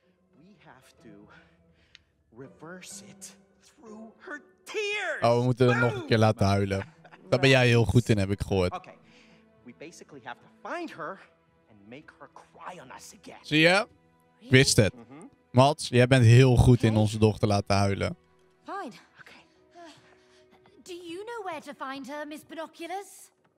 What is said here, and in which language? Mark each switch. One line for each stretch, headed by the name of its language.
English: We have to reverse it through her tears.
Dutch: Oh, we moeten hem nog een keer laten huilen. Daar ben jij heel goed in, heb ik gehoord.
English: We basically have to find her and make her cry on us again.
Dutch: Zie je? Ik wist het. Mats, jij bent heel goed in onze dochter laten huilen.
English: Fine. Okay. Do you know where to find her, Miss Binoculars?